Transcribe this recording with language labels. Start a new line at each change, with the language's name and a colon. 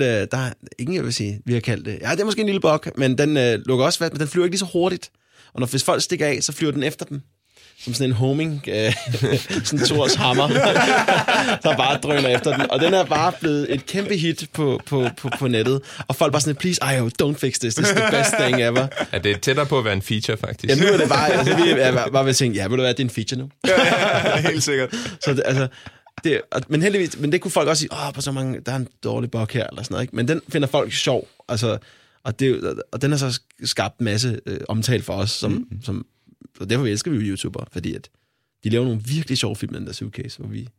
Danish: der er ingen, jeg vil sige, vi har kaldt det... Ja, det er måske en lille bug, men den lukker også fast, men den flyver ikke lige så hurtigt. Og hvis folk stikker af, så flyver den efter dem. Som sådan en homing, sådan en Thors hammer, der bare drøner efter den. Og den er bare blevet et kæmpe hit på nettet. Og folk bare sådan,
English: please, I don't fix this, this is the best thing ever.
Danish: Ja, det er tættere på at være en feature, faktisk. Ja, nu er det bare, altså, vi er bare ved at tænke, ja, vil du være, det er en feature nu? Ja, helt sikkert. Så det, altså, det, men heldigvis, men det kunne folk også sige, åh, på så mange, der er en dårlig bug her, eller sådan noget, ikke? Men den finder folk sjov, altså, og den har så skabt en masse omtale for os, som og derfor elsker vi jo YouTubere, fordi at de laver nogle virkelig sjove film med den der suitcase. Hvor vi...